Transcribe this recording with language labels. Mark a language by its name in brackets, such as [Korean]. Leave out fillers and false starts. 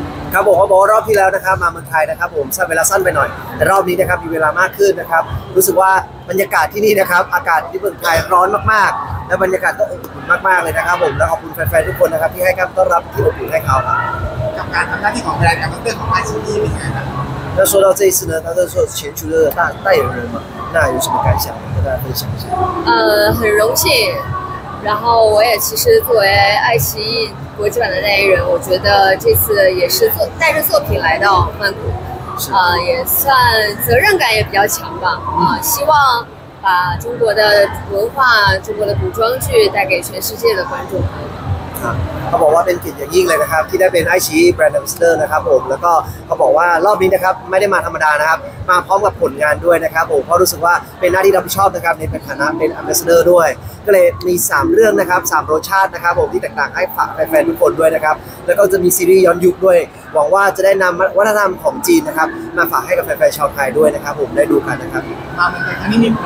[Thai] ครับผมขอบอกรอบที่แล้วนะครับมาเมืองไทยนะครับผมใช้เวลาสั้นไปหน่อยแต่รอบนี้นะครับมีเวลามากขึ้นนะครับรู้สึกว่าบรรยากาศที่นี่นะครับอากาศที่เมืองไทยร้อนมากๆและบรรยากาศก็อบอุ่นมากๆเลยนะครับผมและขอบคุณแฟนๆทุกคนนะครับที่ให้การต้อนรับที่อบอุ่นให้เขาครับ กับการทำหน้าที่ของแบรนด์กับเรื่องของไอซีดีเป็นไงครับ [Chinese] 那说到这一次呢，他是说全球的大代言人嘛，那有什么感想跟大家分享一下？很荣幸，然后我也其实作为爱奇艺国际版的代言人，我觉得这次也是带着作品来到曼谷，也算责任感也比较强吧，希望把中国的文化、中国的古装剧带给全世界的观众。 [Thai] เขาบอกว่าเป็นเกียรติอย่างยิ่งเลยนะครับที่ได้เป็นไอชีแบรนด์แอมบาสเดอร์นะครับผมแล้วก็เขาบอกว่ารอบนี้นะครับไม่ได้มาธรรมดานะครับมาพร้อมกับผลงานด้วยนะครับผมเพราะรู้สึกว่าเป็นหน้าที่รับผิดชอบนะครับในฐานะเป็นแอมบาสเดอร์ด้วยก็เลยมี3เรื่องนะครับ3รสชาตินะครับผมที่แตกต่างให้ฝากแฟนๆทุกคนด้วยนะครับแล้วก็จะมีซีรีส์ย้อนยุคด้วยหวังว่าจะได้นำวัฒนธรรมของจีนนะครับมาฝากให้กับแฟนๆชาวไทยด้วยนะครับผมได้ดูกันนะครับ